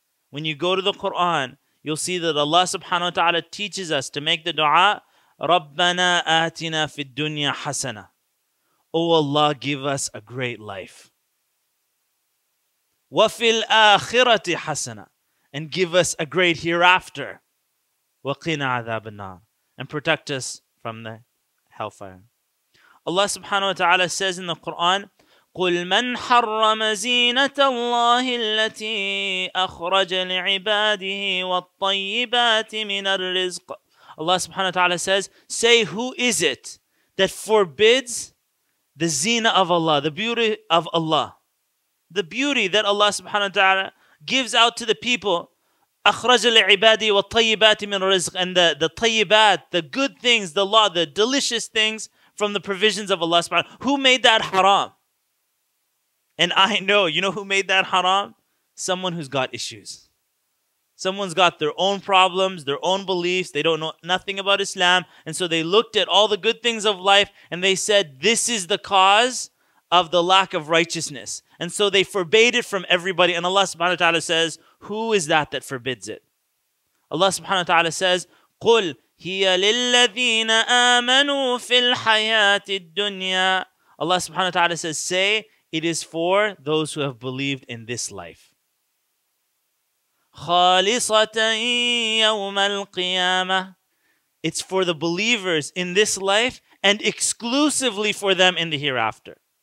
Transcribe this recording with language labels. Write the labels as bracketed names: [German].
[English] When you go to the Quran, you'll see that Allah subhanahu wa ta'ala teaches us to make the dua, [Arabic] رَبَّنَا آتِنَا فِي الدُّنْيَا حَسَنًا, [English] oh Allah, give us a great life. [Arabic] وَفِي الْآخِرَةِ حَسَنًا, [English] and give us a great hereafter. [Arabic] وَقِنَا عَذَابَ النَّارِ, [English] and protect us from the hellfire. [Arabic] Allah subhanahu wa ta'ala says in the Quran, قُلْ مَنْ حَرَّمَ زِينَةَ اللَّهِ الَّتِي أَخْرَجَ لِعِبَادِهِ وَالطَّيِّبَاتِ مِنَ الرِّزْقِ. [English] Allah subhanahu wa ta'ala says, say, who is it that forbids the zina of Allah, the beauty of Allah, the beauty that Allah subhanahu wa ta'ala gives out to the people, [Arabic] أَخْرَجَ لِعِبَادِهِ وَالطَّيِّبَاتِ مِنَ الرِّزْقِ, [English] and the طَيِّبَات, the good things, the law, the delicious things from the provisions of Allah subhanahu wa ta'ala. Who made that haram? And I know, you know who made that haram? Someone who's got issues. Someone's got their own problems, their own beliefs. They don't know nothing about Islam. And so they looked at all the good things of life and they said, this is the cause of the lack of righteousness. And so they forbade it from everybody. And Allah subhanahu wa ta'ala says, who is that that forbids it? [Arabic] Allah subhanahu wa ta'ala says, قُلْ هِيَ لِلَّذِينَ آمَنُوا فِي الْحَيَاةِ الدُّنْيَا. [English] Allah subhanahu wa ta'ala says, say, it is for those who have believed in this life. [Arabic] خَالِصَةً يَوْمَ الْقِيَامَةِ. [English] It's for the believers in this life and exclusively for them in the hereafter.